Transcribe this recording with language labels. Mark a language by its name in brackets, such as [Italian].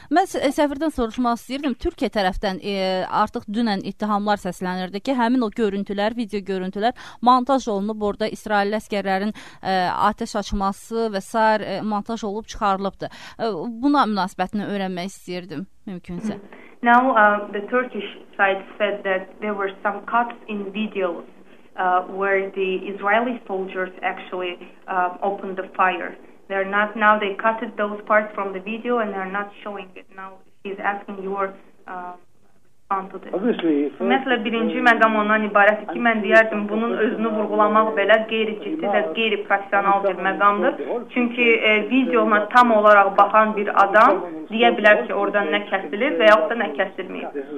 [Azerbaijani] Mən Səfirdən soruşmaq istəyirdim. Türkiyə tərəfdən artıq dünən ittihamlar səslənirdi ki, həmin o görüntülər, video görüntülər montaj olunub, orada İsrail əsgərlərin atəş açması və s. montaj olub çıxarılıbdır. Buna münasibətini öyrənmək istəyirdim, mümkünsə. [English] Now the Turkish side said that there were some cuts in videos where the Israeli soldiers actually opened the fire. They're not now they cut those parts from the video and they're not showing it. Now he's asking your [Azerbaijani] Ümumiyyətlə, birinci məqam ondan ibarət ki, mən deyərdim, bunun özünü vurgulamaq belə qeyri-ciddi və qeyri-profesional bir məqamdır. Çünki videona tam olaraq baxan bir adam deyə bilər ki, oradan nə kəsilir və yaxud da nə kəsilməyib.